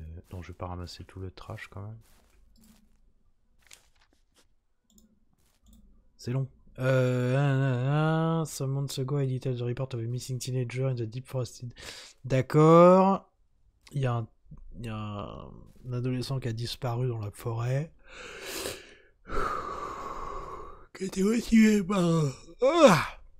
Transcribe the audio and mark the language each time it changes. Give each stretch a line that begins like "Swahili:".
French: Donc, je vais pas ramasser tout le trash quand même. C'est long.
English: Some months ago, I detailed the report of a missing teenager in the deep forest.
French: D'accord. Il y a un adolescent qui a disparu dans la forêt. Qui était motivé par.